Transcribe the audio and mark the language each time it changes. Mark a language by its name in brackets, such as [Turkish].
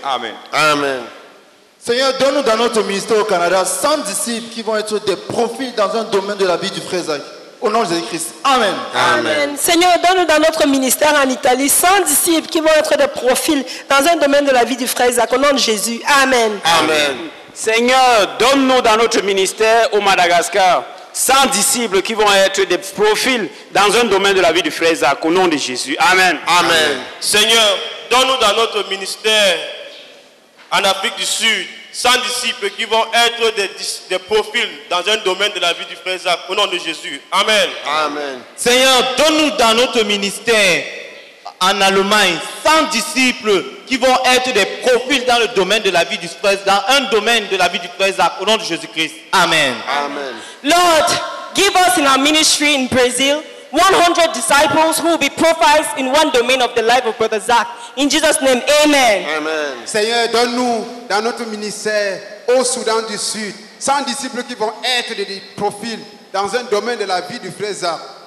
[French] Amen. Amen. Seigneur, donne-nous dans notre ministère au Canada 100 disciples qui vont être des profils dans un domaine de la vie du frère Zach, au nom de Jésus-Christ. Amen. Amen. Seigneur, donne-nous dans notre ministère en Italie 100 disciples qui vont être des profils dans un domaine de la vie du frère Zach, au nom de Jésus. Amen. Amen. Seigneur, donne-nous dans notre ministère au Madagascar 100 disciples qui vont être des profils dans un domaine de la vie du frère Zach, au nom de Jésus. Amen. Amen. Seigneur, donne-nous dans notre ministère en Afrique du Sud 100 disciples qui vont être des profils dans un domaine de la vie du frère Zach, au nom de Jésus. Amen. Amen. Seigneur, donne-nous dans notre ministère en Allemagne 100 disciples qui vont être des profils dans le domaine de la vie du frère, dans un domaine de la vie du frère Zach, au nom de Jésus-Christ. Amen. Amen. [English] Lord, give us in our ministry in Brazil 100 disciples who will be profiles in one domain of the life of Brother Zach. In Jesus' name, amen. Amen. [French] Seigneur, donne-nous dans notre ministère au Soudan du Sud 100 disciples qui vont être des profils dans un domaine de la vie du frère Zach.